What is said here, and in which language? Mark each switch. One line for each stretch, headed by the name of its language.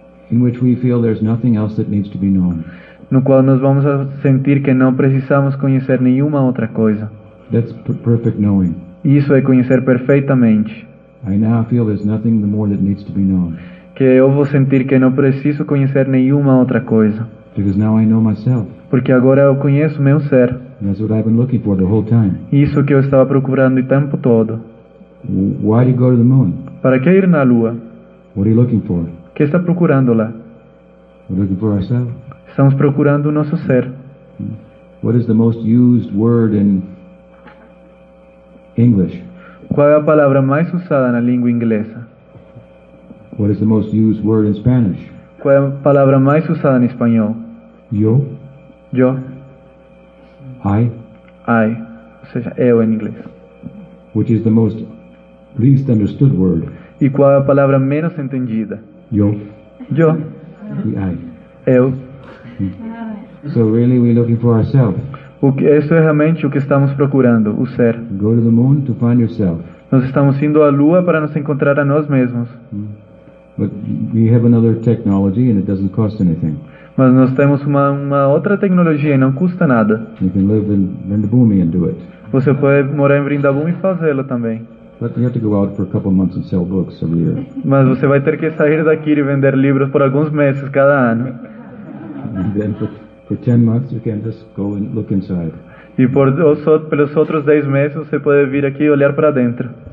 English: in which we feel there's nothing else that needs to be known.
Portuguese: No qual nós vamos a sentir que não precisamos conhecer nenhuma outra coisa.
English: That's perfect knowing.
Portuguese: Isso é conhecer perfeitamente.
English: I now feel there's nothing more that needs to be known.
Portuguese: Que eu vou sentir que não preciso conhecer nenhuma outra coisa.
English: Because now I know myself.
Portuguese: Porque agora eu conheço meu ser.
English: That's what I've been looking for the whole time.
Portuguese: Isso que eu estava procurando o tempo todo.
English: Why do you go to the moon?
Portuguese: Para que ir na lua?
English: What are you looking for?
Portuguese: Que está procurando lá?
English: We're looking for ourselves.
Portuguese: Estamos procurando o nosso ser.
English: What is the most used word in English?
Portuguese: Qual é a palavra mais usada na língua inglesa?
English: What is the most used word in Spanish?
Portuguese: Qual é a palavra mais usada em espanhol?
Spanish: Yo. Yo.
English: I.
Portuguese: I. Ou seja, eu em inglês.
English: Which is the most least understood word?
Portuguese: E qual é a palavra menos entendida?
Spanish: Yo. Yo.
English: The I.
Portuguese: Eu.
English: So really we're looking for ourselves.
Portuguese: O que, isso é realmente o que estamos procurando, o ser.
English: Go to the moon to find yourself.
Portuguese: Nós estamos indo à lua para nos encontrar a nós mesmos.
English: But we have another technology and it doesn't cost anything.
Portuguese: Mas nós temos uma outra tecnologia e não custa nada.
English: You can live in Vrindavan and do it.
Portuguese: Você pode morar em Vrindavan e fazê-lo também.
English: But you have to go out for a couple of months and sell books every year.
Portuguese: Mas você vai ter que sair daqui e vender livros por alguns meses cada ano.
English: And then for 10 months you can just go and look inside.
Portuguese: E por pelos outros 10 meses você pode vir aqui e olhar para dentro.